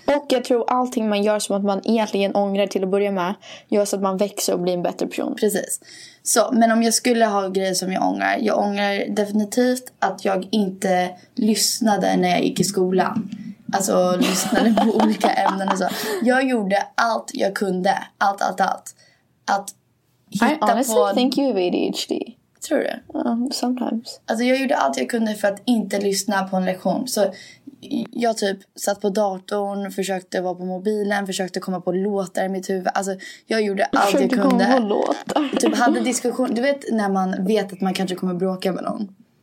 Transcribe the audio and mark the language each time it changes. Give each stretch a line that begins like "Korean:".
Swedish: Och jag tror allting man gör som att man egentligen ångrar till att börja med gör så att man växer och blir en bättre person. Precis. Så, men om jag skulle ha grejer som jag ångrar definitivt att jag inte lyssnade när jag gick i skolan. Alltså lyssnade på olika ämnen och så. Jag gjorde allt jag kunde. Allt. Att hitta på...
English: I honestly think you have ADHD.
Swedish: Tror du?
English: Sometimes.
Swedish: Alltså jag gjorde allt jag kunde för att inte lyssna på en lektion. Så jag typ satt på datorn, försökte vara på mobilen, försökte komma på låtar i mitt huvud. Alltså jag gjorde allt jag kunde. Försökte komma på låtar. Typ hade diskussion. Du vet när man vet att man kanske kommer bråka med någon.